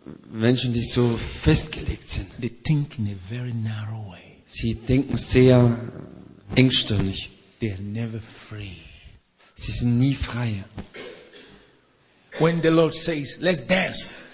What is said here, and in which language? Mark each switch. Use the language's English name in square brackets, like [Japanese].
[German] Menschen, die so festgelegt sind. [English] They think in a very narrow way. [German] Sie denken sehr engstirnig. [English] They are never free. [German] Sie sind nie frei. [English] When the Lord says, "Let's dance."